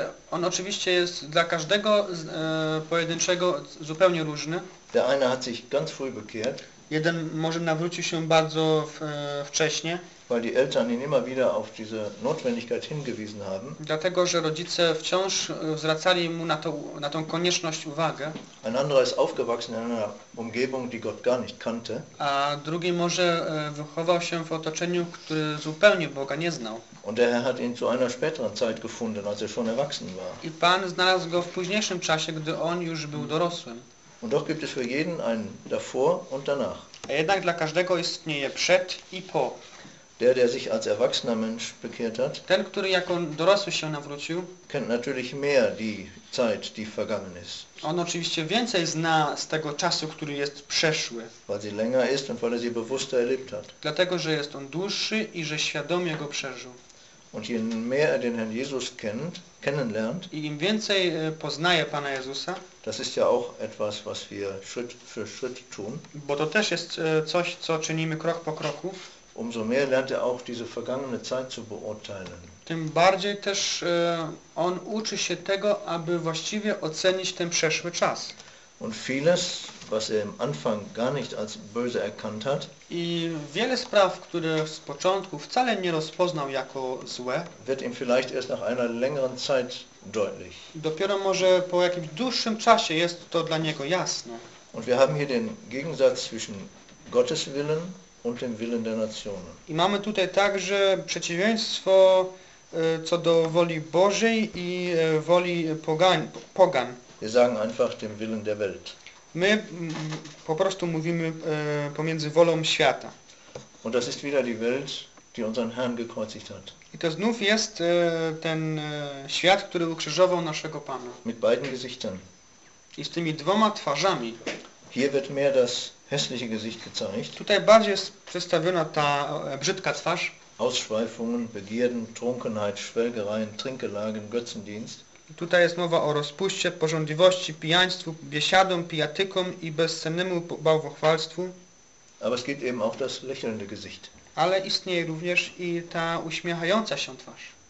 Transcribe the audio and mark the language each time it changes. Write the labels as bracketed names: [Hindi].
[Polish] On oczywiście jest dla każdego pojedynczego zupełnie różny. [German] Der eine hat sich ganz früh bekehrt. [Polish] Jeden może nawrócił się bardzo wcześnie. [German] Weil die Eltern ihn immer wieder auf diese Notwendigkeit hingewiesen haben. [Polish] Dlatego, że rodzice wciąż zwracali mu na tą konieczność uwagę. [German] Ein anderer ist aufgewachsen in einer Umgebung, die Gott gar nicht kannte. [Polish] A drugi może wychował się w otoczeniu, które zupełnie Boga nie znał. [German] Und der Herr hat ihn zu einer späteren Zeit gefunden, als er schon erwachsen war. [Polish] I Pan znalazł go w późniejszym czasie, gdy on już był dorosłym. [German] Und doch gibt es für jeden einen davor und danach. [Polish] A jednak dla każdego istnieje przed i po. [German] Der, der sich als erwachsener Mensch bekehrt hat, [Polish] ten, który jako dorosły się nawrócił, [German] kennt natürlich mehr die Zeit, die vergangen ist. [Polish] On oczywiście więcej zna z tego czasu, który jest przeszły. [German] Weil sie länger ist und weil er sie bewusster erlebt hat. [Polish] Dlatego, że jest on dłuższy i że świadomie go przeżył. [German] Und je mehr er den Herrn Jesus kennenlernt, [Polish] i im więcej poznaje Pana Jezusa, [German] das ist ja auch etwas, was wir Schritt für Schritt tun, [Polish] bo to też jest coś, co czynimy krok po kroku, [German] umso mehr lernt er auch diese vergangene Zeit zu beurteilen. [Polish] Tym bardziej też on uczy się tego, aby właściwie ocenić ten przeszły czas. [German] Und vieles, was er im Anfang gar nicht als böse erkannt hat, [Polish] i wiele spraw, które z początku wcale nie rozpoznał jako złe, [German] wird ihm vielleicht erst nach einer längeren Zeit deutlich. [Polish] Dopiero może po jakimś dłuższym czasie jest to dla niego jasne. [German] Und wir haben hier den Gegensatz zwischen Gottes Willen und dem Willen der Nationen. [Polish] I mamy tutaj także przeciwieństwo co do woli Bożej i woli pogan. [German] Wir sagen einfach dem Willen der Welt. [Polish] My po prostu mówimy pomiędzy wolą świata. [German] Und das ist wieder die Welt, die unseren Herrn gekreuzigt hat. [Polish] I to znów jest ten świat, który ukrzyżował naszego Pana. [German] Mit beiden Gesichtern. [Polish] I z tymi dwoma twarzami. [German] Hier wird mehr das hässliche Gesicht gezeigt. [Polish] Tutaj bardziej jest przedstawiona ta brzydka twarz. [German] Ausschweifungen, Begierden, Trunkenheit, Schwelgereien, Trinkgelagen, Götzendienst. [Polish] Tutaj jest mowa o rozpuście, pożądliwości, pijaństwu, biesiadom, pijatykom i bezcennemu bałwochwalstwu. [German] Aber es gibt eben auch das lächelnde Gesicht. [Polish] Ale istnieje również i ta uśmiechająca się twarz.